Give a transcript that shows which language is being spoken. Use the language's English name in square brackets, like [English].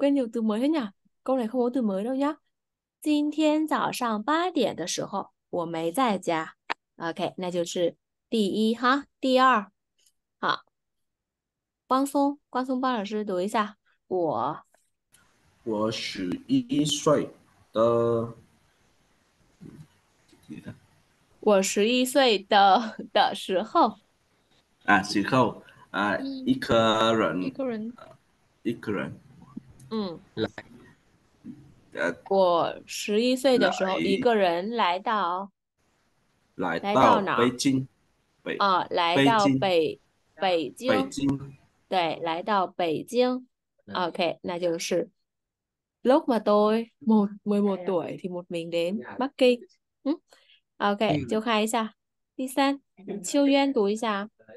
[Vietnamese] quên nhiều từ mới thế nhỉ? Câu này không có từ mới đâu nhá. [Chinese] 今天早上八点的时候，我没在家。 OK，那就是第一哈。第二，好，光松，帮老师读一下。我11岁的，你的 11岁的时候，啊，时候啊，一个人。一个人来，我11岁的时候，一个人来来到到哪儿？北京，来北到京，北北京，京。对，来到北京。 [Vietnamese] OK， [Chinese] 那就是， [Vietnamese] lúc mà tôi 11 tuổi thì một mình đến Bắc Kinh. [Chinese] OK，就看一下第三，秋渊读一下。